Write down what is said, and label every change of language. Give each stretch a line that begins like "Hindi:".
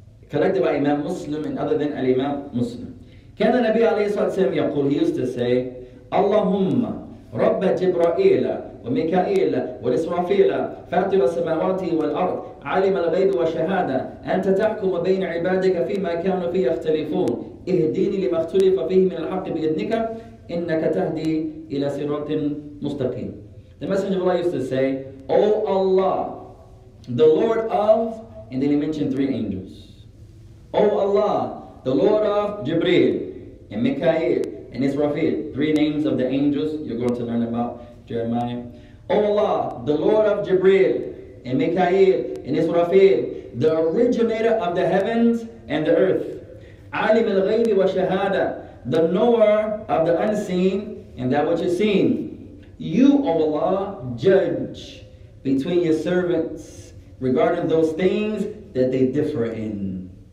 English: Collected by Imam Muslim and other than Al-Imam Muslim.
Arabic: كان النبي عليه الصلاة والسلام يقول
English: he used to say
Arabic: اللهم رب جبرائيل وميكائيل والإسرافيل فاتر السماوات والأرض عالم الغيب والشهادة أنت تحكم بين عبادك فيما كانوا فيه يختلفون اهديني لما اختلف فيه من الحق بإذنك إنك تهدي إلى صراط مستقيم
English: The Messenger of Allah used to say O Allah, the Lord of And then he mentioned three angels O Allah, the Lord of Jibreel and Mikael and Israfil Three names of the angels you're going to learn about Jeremiah. O Allah, the Lord of Jibreel and Mikael and Israfil, the originator of the heavens and the earth. Alim al-ghaybi wa shahada, the knower of the unseen and that which is seen. You, O Allah, judge between your servants regarding those things that they differ in.